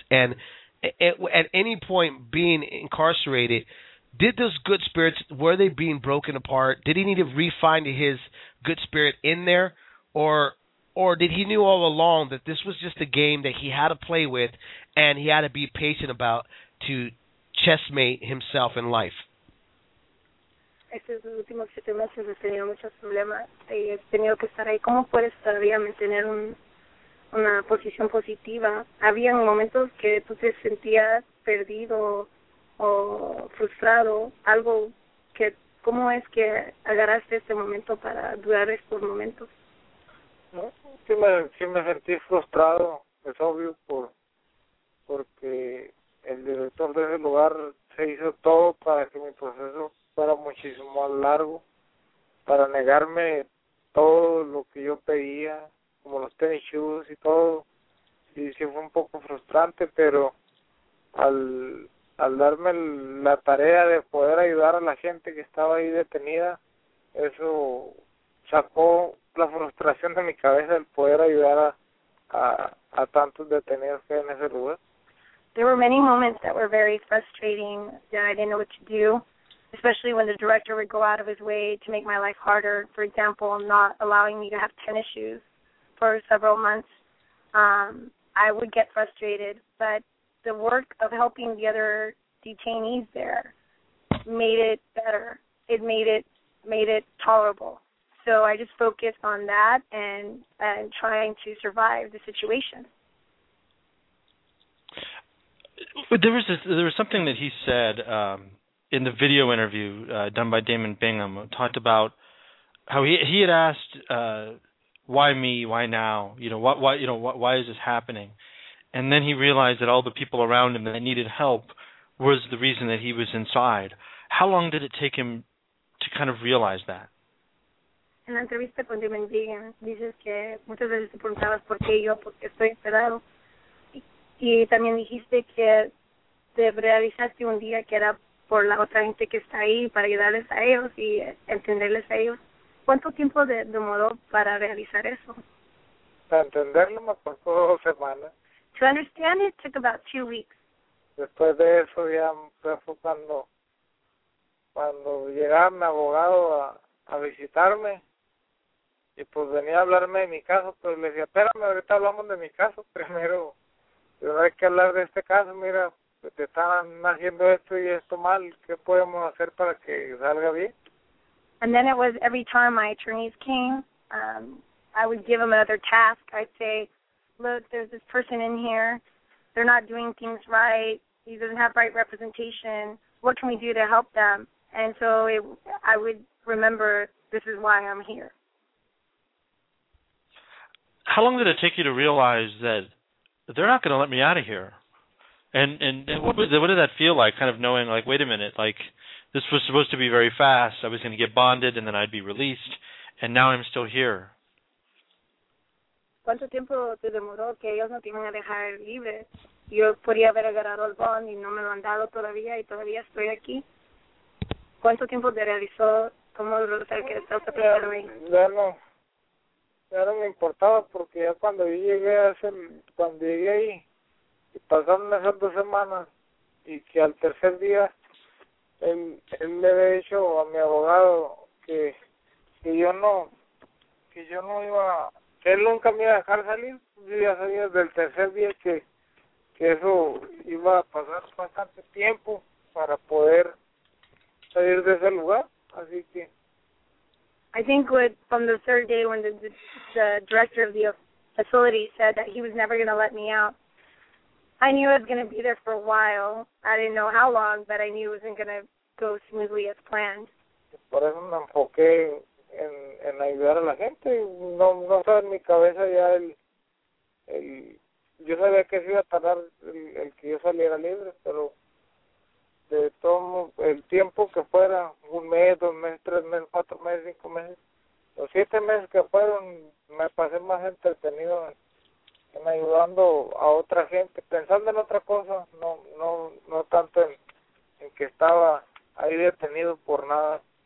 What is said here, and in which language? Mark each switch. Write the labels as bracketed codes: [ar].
[en] And at any point being incarcerated, did those good spirits, were they being broken apart? Did he need to re-find his good spirit in there? Or did he knew all along that this was just a game that he had to play with and he had to be patient about to chessmate himself in life? [es] Este es el último 7 meses, he tenido muchos problemas y he tenido que estar ahí. ¿Cómo puedes todavía mantener una posición positiva? Habían momentos que tú te sentías perdido o frustrado, algo que, ¿cómo es que agarraste este momento para durar estos momentos? No, sí me sentí frustrado, es obvio, porque el director de ese lugar se hizo todo para que mi proceso fuera muchísimo más largo, para negarme todo lo que yo pedía, como los tenis shoes y todo. Sí, sí fue un poco frustrante, pero al darme la tarea de poder ayudar a la gente que estaba ahí detenida, eso sacó la frustración de mi cabeza, el poder ayudar a tantos detenidos que hay en ese lugar. [en] There were many moments that were very frustrating, that I didn't know what to do, especially when the director would go out of his way to make my life harder. For example, not allowing me to have tennis shoes for several months. I would get frustrated, but the work of helping the other detainees there made it better. It made it tolerable. So I just focused on that and trying to survive the situation. There was something that he said in the video interview done by Damon Bingham. Talked about how he had asked, why me, why now? You know, why is this happening? And then he realized that all the people around him that needed help was the reason that he was inside. How long did it take him to kind of realize that? [es] En la entrevista con Damon Bingham, dices que muchas veces te preguntabas por qué yo, porque estoy encerrado. Y también dijiste que te realizaste un día que era por la otra gente que está ahí, para ayudarles a ellos y entenderles a ellos. ¿Cuánto tiempo demoró para realizar eso? Para entenderlo me costó 2 semanas. [en] To understand it took about 2 weeks. [es] Después de eso ya fue cuando llegaba mi abogado a visitarme y pues venía a hablarme de mi caso, pero le decía, espérame, ahorita hablamos de mi caso primero. Y no hay que hablar de este caso, mira, pues te están haciendo esto y esto mal, ¿qué podemos hacer para que salga bien? [en] And then it was every time my attorneys came, I would give them another task. I'd say, look, there's this person in here, they're not doing things right, he doesn't have right representation, what can we do to help them? And so I would remember, this is why I'm here. How long did it take you to realize that they're not going to let me out of here? And what did that feel like, kind of knowing, like, wait a minute, like, this was supposed to be very fast, I was going to get bonded, and then I'd be released, and now I'm still here? [es] ¿Cuánto tiempo te demoró que ellos no te iban a dejar libre? Yo podría haber agarrado el bond y no me lo han dado todavía y todavía estoy aquí. ¿Cuánto tiempo te realizó? ¿Cómo lo sabes que estás preparado ahí? Ya no me importaba porque ya cuando llegué ahí y pasaron esas 2 semanas y que al tercer día él le había dicho a mi abogado que yo no iba... Él nunca me iba a dejar salir, yo ya sabía desde el tercer día que eso iba a pasar bastante tiempo para poder salir de ese lugar, así que... [en] I think from the third day when the director of the facility said that he was never going to let me out, I knew I was going to be there for a while. I didn't know how long, but I knew it wasn't going to go smoothly as planned. [es] Por eso me enfoqué en ayudar a la gente, no estaba en mi cabeza ya el yo sabía que se iba a tardar el que yo saliera libre, pero de todo el tiempo que fuera, 1 mes, 2 meses, 3 meses, 4 meses, 5 meses, los 7 meses que fueron, me pasé más entretenido en ayudando a otra gente, pensando en otra cosa, no tanto en que estaba ahí detenido por nada.